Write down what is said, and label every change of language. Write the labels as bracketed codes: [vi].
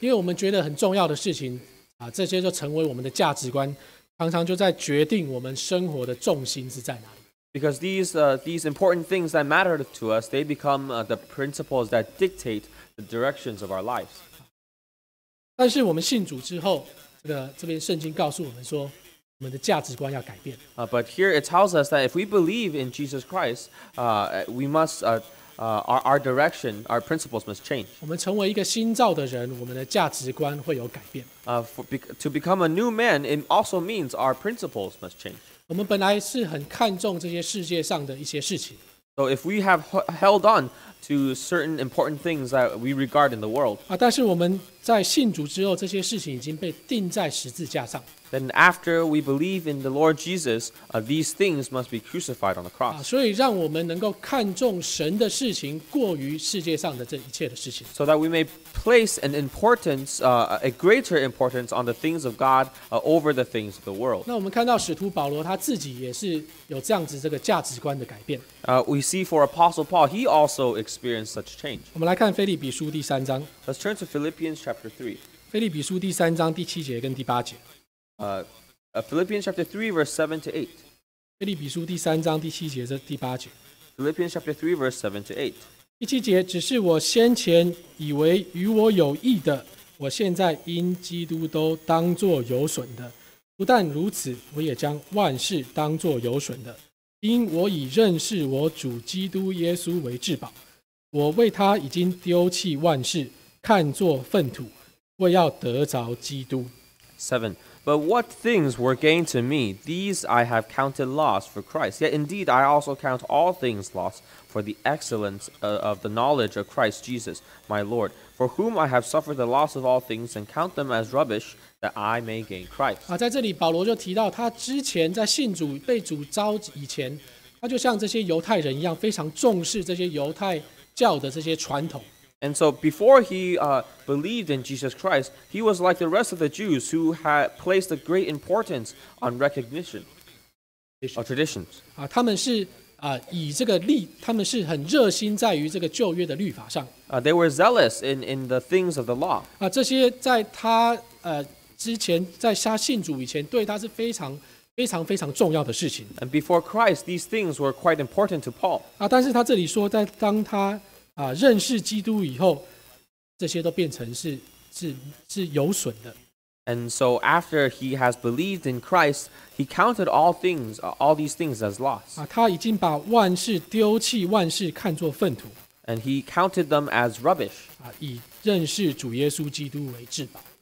[zh] 因为我们觉得很重要的事情这些就成为我们的价值观，常常就在决定我们生活的重心是在哪里。 [en] Because these important things that matter to us, they become the principles that dictate the directions of our lives. [zh] 但是我们信主之后，这边圣经告诉我们说，我们的价值观要改变。 [en] But here it tells us that if we believe in Jesus Christ, we must our direction, our principles must change. [zh] 我们成为一个新造的人，我们的价值观会有改变。 [en] To become a new man, it also means our principles must change. [zh] 我们本来是很看重这些世界上的一些事情。 [en] So if we have held on to certain important things that we regard in the world, [zh] 但是我们在信主之后，这些事情已经被钉在十字架上。 [en] Then after we believe in the Lord Jesus, these things must be crucified on the cross. [zh] 所以让我们能够看重神的事情过于世界上的这一切的事情。 [en] So that we may place an importance, a greater importance on the things of God, over the things of the world. [zh] 那我们看到使徒保罗他自己也是有这样子这个价值观的改变。 [en] We see for Apostle Paul, he also experienced such change. [zh] 我们来看腓立比书第三章。 [en] Let's turn to Philippians chapter 3. [zh] 腓立比书第三章第七节跟第八节。 [en] Philippians chapter 3 verse 7 to 8. [zh] 腓立比书第三章第七节至第八节。 [en] Philippians chapter 3 verse 7 to 8. [zh] 第七节，只是我先前以为与我有益的，我现在因基督都当作有损的。不但如此，我也将万事当作有损的，因我已认识我主基督耶稣为至宝。我为他已经丢弃万事，看作粪土，为要得着基督。 [en] 7. But what things were gained to me, these I have counted loss for Christ. Yet indeed I also count all things loss for the excellence of the knowledge of Christ Jesus, my Lord, for whom I have suffered the loss of all things and count them as rubbish that I may gain Christ. [zh] 在这里保罗就提到他之前在信主被主召以前，他就像这些犹太人一样，非常重视这些犹太教的这些传统。 [en] And so before he believed in Jesus Christ, he was like the rest of the Jews who had placed a great importance on recognition or traditions. [zh] 他们是以这个律，他们是很热心在于这个旧约的律法上。 [en] They were zealous in the things of the law. [zh] 这些在他之前在他信主以前，对他是非常非常非常重要的事情。 [en] And before Christ, these things were quite important to Paul. [zh] 但是他这里说，在当他认识基督以后，这些都变成 是有损的。 [en] And so after he has believed in Christ, he counted all these things as loss. [zh] 他已经把万事丢弃，万事看作粪土。 [en] And he counted them as rubbish. [zh] 以认识主耶稣基督为至宝。